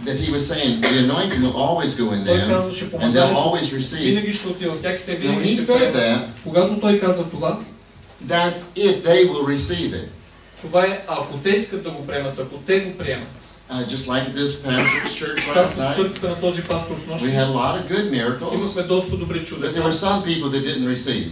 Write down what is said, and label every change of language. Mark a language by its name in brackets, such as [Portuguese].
[English] That he was saying the anointing will always go in them. [Bulgarian] Той казваше, [English] and they'll always receive. [Bulgarian] Винаги ще отива в тях и те винаги ще приемат. Когато той каза това, [English] that's if they will receive it. [Bulgarian] Това е ако те искат да го приемат, ако те го приемат. [English] Just like this pastor's church last night, we had a lot of good miracles, but there were some people that didn't receive.